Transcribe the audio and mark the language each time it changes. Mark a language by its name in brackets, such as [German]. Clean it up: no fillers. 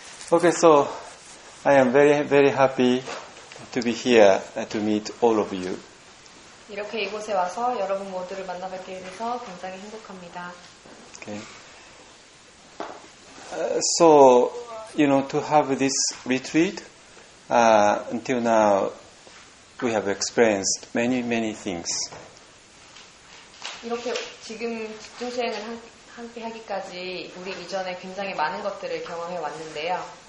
[English] Okay, so I am very, very happy to be here and to meet all of you. [Korean] 이렇게 이곳에 와서 여러분 모두를 만나뵐 게 돼서 굉장히 행복합니다. [English] Okay. So, you know, to have this retreat, until now, we have experienced many, many things. [Korean] 이렇게 지금 집중 수행을 함께 하기까지 우리 이전에 굉장히 많은 것들을 경험해 왔는데요.